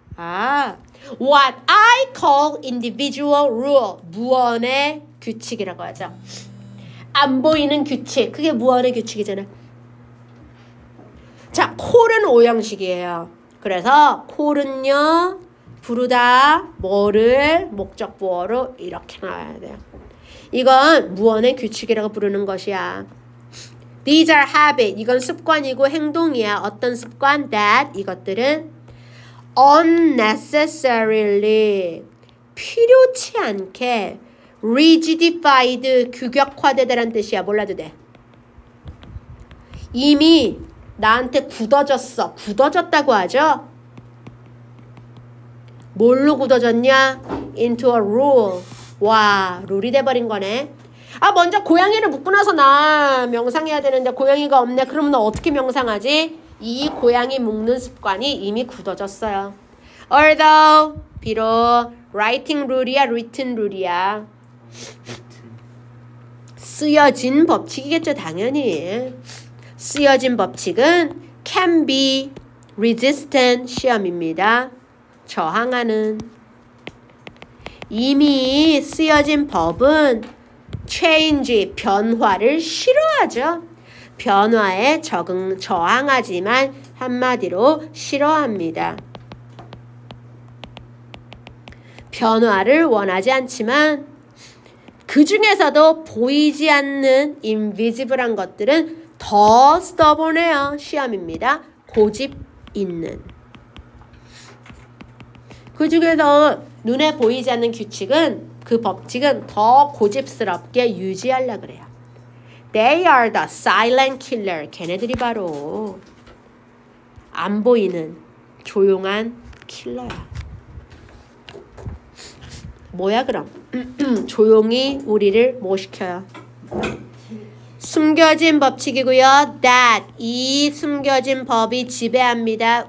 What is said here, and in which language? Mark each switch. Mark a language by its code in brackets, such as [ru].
[en] 아, what I call individual rule. [ko] 무언의 규칙이라고 하죠. 안 보이는 규칙. 그게 무언의 규칙이잖아. 자, 콜은 오형식이에요. 그래서 콜은요. 부르다 뭐를 목적 보어로 이렇게 나와야 돼요. 이건 무언의 규칙이라고 부르는 것이야. [en] These are habits. [ko] 이건 습관이고 행동이야. 어떤 습관? That 이것들은 unnecessarily 필요치 않게 rigidified, 규격화되다란 뜻이야. 몰라도 돼. 이미 나한테 굳어졌어. 굳어졌다고 하죠? 뭘로 굳어졌냐? [en] into a rule. [ko] 와, 룰이 돼버린 거네. 아, 먼저 고양이를 묶고 나서 나 명상해야 되는데 고양이가 없네. 그러면 너 어떻게 명상하지? 이 고양이 묶는 습관이 이미 굳어졌어요. Although, 비록 [en] writing rule [ko] 이야, [en] written rule [ko] 이야. 쓰여진 법칙이겠죠, 당연히. 쓰여진 법칙은 [en] can be resistant [ko] 시험입니다. 저항하는. 이미 쓰여진 법은 change, 변화를 싫어하죠. 변화에 적응, 저항하지만 한마디로 싫어합니다. 변화를 원하지 않지만 그 중에서도 보이지 않는 invisible한 것들은 더 stubborn해요. 시험입니다. 고집 있는. 그 중에서 눈에 보이지 않는 규칙은 그 법칙은 더 고집스럽게 유지하려고 그래요. [en] They are the silent killer. [ko] 걔네들이 바로 안 보이는 조용한 킬러야. 뭐야 그럼? 조용히 우리를 뭐 시켜요? 숨겨진 법칙이고요. That 이 숨겨진 법이 지배합니다.